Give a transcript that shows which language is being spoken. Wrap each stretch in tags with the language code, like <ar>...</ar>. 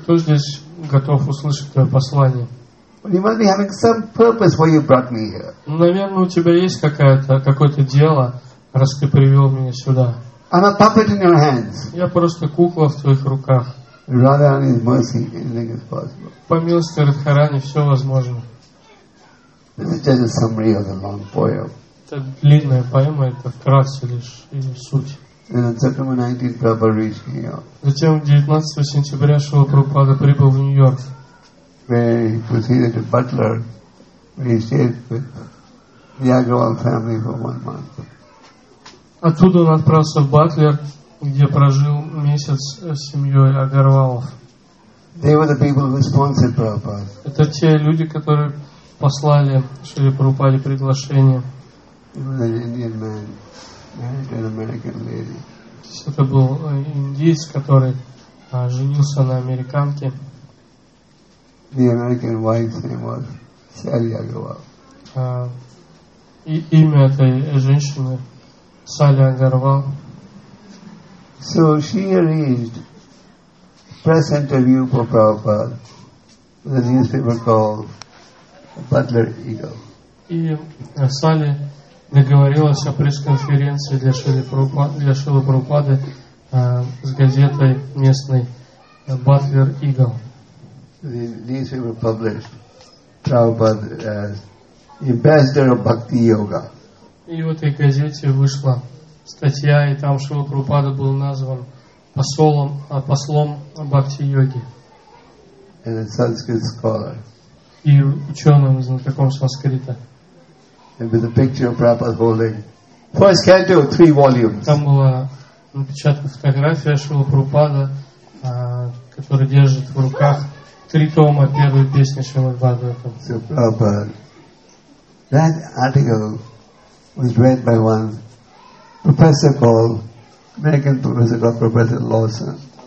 <ru>Кто здесь готов услышать твое послание?</ru> <en>You must be having some purpose why you brought me here.</en> <ru>Наверное, у тебя есть какое-то дело, раз ты привел меня сюда.</ru> <en>I'm a puppet in your hands.</en> <ru>Я просто кукла в твоих руках.</ru> <en>Radharani is mercy, anything is possible.</en> <ru>По милости Радхарани все возможно.</ru> <en>This is just a summary of the long poem.</en> <ru>Это длинная поэма, это вкратце лишь суть.</ru> <en>And on September 19, Prabhupada reached New York.</en> <ru>Затем 19 сентября Шрила Прабхупада прибыл в Нью-Йорк.</ru> <en>Where he proceeded to Butler, where he stayed with the Agarwal family for 1 month.</en> <ru>Оттуда он отправился в Батлер, где прожил месяц с семьей Агарвалов.</ru> <en>They were the people who sponsored Prabhupada.</en> <ru>Это те люди, которые послали Шриле Прабхупаде приглашение.</ru> <en>He was an Indian man married an American lady.</en> <ru>Это был индиец, который женился на американке.</ru> <en>The American wife's name was Sally Agarwal.</en> <ru>Имя этой женщины Сали Агарвал.</ru> <en>So she arranged press interview for Prabhupada, the newspaper called Butler Eagle.</en> <ru>И Сали договорилась о пресс-конференции для Шрилы Прабхупады с газетой местной Butler Eagle.</ru> <en>The newspaper published Prabhupada as ambassador of Bhakti Yoga.</en> <ru>И в этой газете вышла статья, и там Шрила Прабхупада был назван послом Бхакти-йоги.</ru> <en>And a Sanskrit scholar.</en> <ru>И ученым, знатоком санскрита.</ru> <en>And with a picture of Prabhupada holding first canto, 3 volumes.</en> <ru>Там была напечатана фотография Шрила Прабхупада, который держит в руках 3 тома первой песни Шримад Бхагаватам.</ru> <en>So Prabhupada, that article was read by one professor called American professor called Professor Lawson.</en>